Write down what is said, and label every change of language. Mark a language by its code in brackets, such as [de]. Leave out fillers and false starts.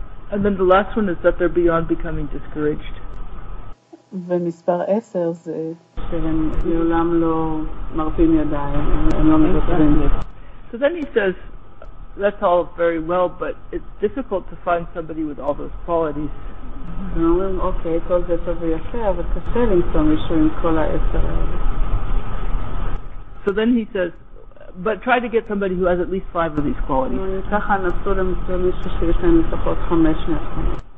[en] And then the last one is that they're beyond becoming discouraged. [he] ומספר 10 זה שהם לעולם לא מרפים ידיים, הם לא מבטלים את זה. [en] So then he says, that's all very well, but it's difficult to find somebody with all those qualities. [he] הם אומרים, אוקיי, כל זה טוב ויפה, אבל קשה למצוא מישהו עם כל העשר האלה. [en] So then he says, but try to get somebody who has at least 5 of these qualities. [he] ככה נסו למצוא מישהו שיש להם לפחות 5 מהתכונות.